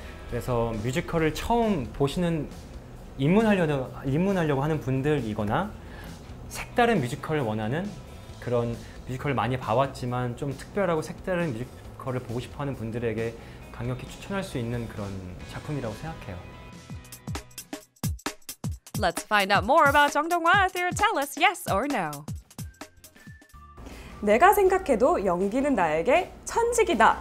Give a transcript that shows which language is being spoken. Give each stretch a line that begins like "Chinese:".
Korean: 그래서 뮤지컬을 처음 보시는 입문하려고 하는 분들이거나 색다른 뮤지컬을 원하는 그런 뮤지컬을 많이 봐왔지만 좀 특별하고 색다른 뮤지컬을 보고 싶어하는 분들에게 강력히 추천할 수 있는 그런 작품이라고 생각해요.
English: Let's find out more about 정동화. They'll tell us yes or no.
Korean: 내가 생각해도 연기는 나에게 천직이다.